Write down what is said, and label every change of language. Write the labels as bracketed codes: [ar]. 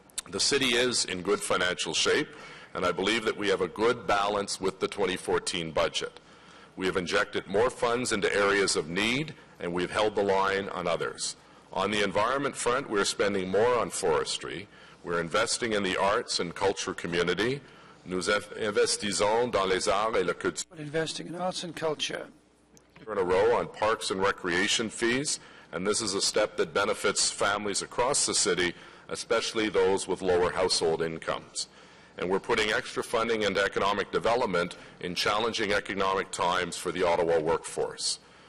[en] The city is in good financial shape, and I believe that we have a good balance with the 2014 budget. We have injected more funds into areas of need, and we've held the line on others. On the environment front, we're spending more on forestry. We're investing in the arts and culture community. [fr] Nous investissons dans les arts et la culture. [en] Investing in arts and culture. In a row on parks and recreation fees, and this is a step that benefits families across the city, especially those with lower household incomes. And we're putting extra funding into economic development in challenging economic times for the Ottawa workforce.